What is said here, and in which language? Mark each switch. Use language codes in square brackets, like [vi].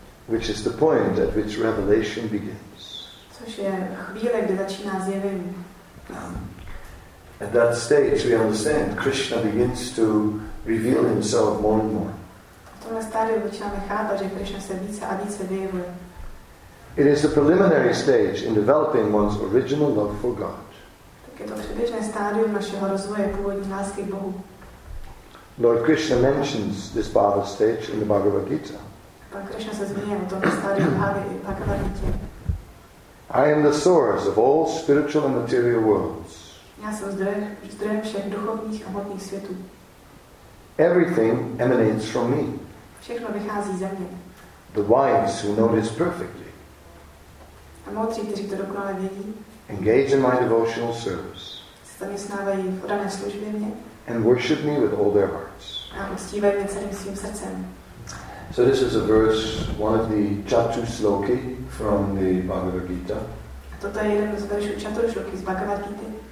[en] which is the point at which revelation begins. [cs] Což je chvíle, kdy začíná zjevení. [en] At that stage, we understand Krishna begins to reveal himself more and more. [cs] V tomhle stádiu začínáme chápat, že Krishna se více a více vyjevuje. [en] It is the preliminary stage in developing one's original love for God. [cs] Tak je to předběžné stádium našeho rozvoje původní lásky k Bohu. [en] Lord Krishna mentions this bhava stage in the Bhagavad Gita. [cs] Pan Krishna se zmiňuje o tomto stádiu bhavy v Bhagavad Gita. [en] I am the source of all spiritual and material worlds. [cs] Já jsem zdrojem všech duchovních a hmotných světů. [en] Everything emanates from me. [cs] Všechno vychází ze mě. [en] The wise who know this perfectly. [cs] A moudří, kteří to dokonale vědí. [en] Engage in my devotional service. [cs] Zaměstnávají v oddané službě mě. [en] And worship me with all their hearts. [cs] A uctívají mě celým svým srdcem. [en] So this is a verse, one of the Chatusloki from the Bhagavad Gita. [cs] A toto je jeden z veršů Chatusloki z Bhagavad Gita.